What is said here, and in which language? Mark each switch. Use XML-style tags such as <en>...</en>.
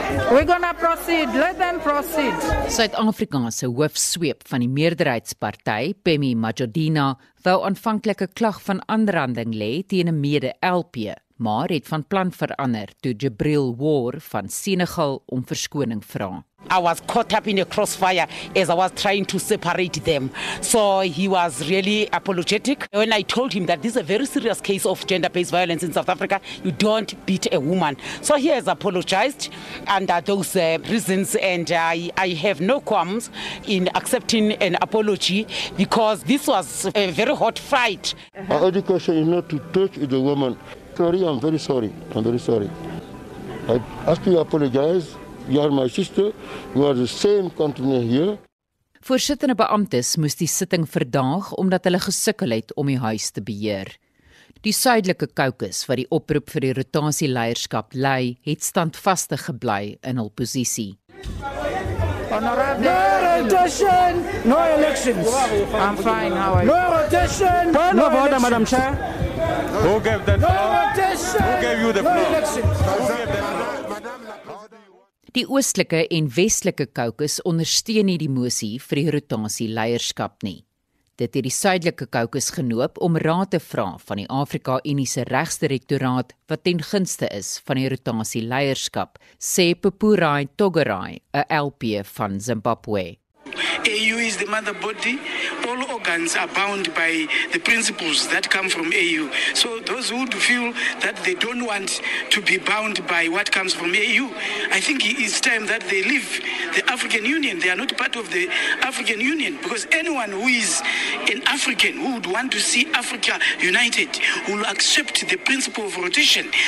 <en>We're gonna proceed. Let them proceed.</en> <af>Suid-Afrika se hoofsweep van die meerderheidsparty, Pemi Majodina, wou aanvanklik 'n klag van aanranding lê teen 'n mede-LP, maar het van plan verander toe Jibril War van Senegal om verskoning vra.</af> <en>I was caught up in a crossfire as I was trying to separate them. So he was really apologetic. When I told him that this is a very serious case of gender-based violence in South Africa, you don't beat a woman. So he has apologized under those reasons, and I have no qualms in accepting an apology because this was a very hot fight. My education is not to touch the woman. Sorry, I'm very sorry. I'm very sorry. I ask you to apologize. You are my sister, you are the same continent here.</en> <af>Voorsittende beamptes moes die sitting verdaag omdat hulle gesukkel het om die huis te beheer. Die suidelike kokes wat die oproep vir die rotasieleierskap lei, het standvastig gebly in hul posisie.</af> <en>No rotation, no elections. I'm fine, how are you? No rotation, no elections. No vote, Madam Chair. Who gave the floor? No rotation, who gave you the floor? No elections. Who gave the floor?</en> <af>Die oostelike en westelike kokes ondersteun nie die mosie vir die rotasie leierskap nie. Dit het die suidelike kokes genoop om raad te vra van die Afrika Unie se regsdirektoraat wat ten gunste is van die rotasie leierskap, sê Pepurai Togerai, 'n LP van Zimbabwe.</af> <en>AU is the mother body. All organs are bound by the principles that come from AU. So those who do feel that they don't want to be bound by what comes from AU, I think it's time that they leave the African Union. They are not part of the African Union, because anyone who is an African who would want to see Africa united will accept the principle of rotation.</en>